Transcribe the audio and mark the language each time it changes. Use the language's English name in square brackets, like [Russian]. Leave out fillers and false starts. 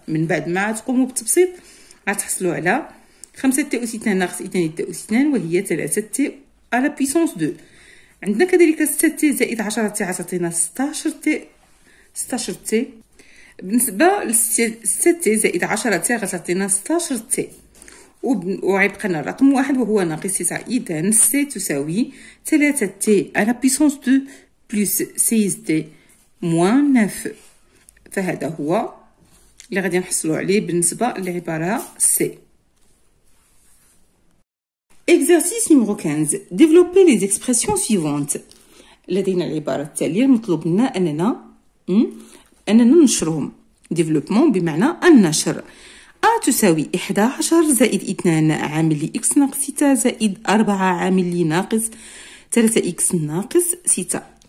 [Arabic] من بعد ما تقوموا بالتبسيط غتحصلوا على 5 تي اس 2 ناقص 2 تي اس 2 وهي 3 تي [French] à la puissance 2. [Arabic] عندنا كذلك 6T زائد 10T عطينا 16T. 16T بالنسبة ل 6T زائد 10T عطينا 16T. وعيبقى لنا الرقم 1 وهو ناقص 9. إذا C تساوي 3T [French] à la puissance 2 plus 6T moins 9. [Arabic] فهذا هو اللي غادي نحصلوا عليه بالنسبة لعبارة C. [French] Exercice numéro 15. Développez les expressions suivantes. [Arabic] لدينا العبارة التالية المطلوب منا أننا ننشرهم. Développement بمعنى النشر. A تساوي 11 زائد 2 عامل لي X ناقص 6 زائد 4 عامل لي ناقص 3X ناقص 6.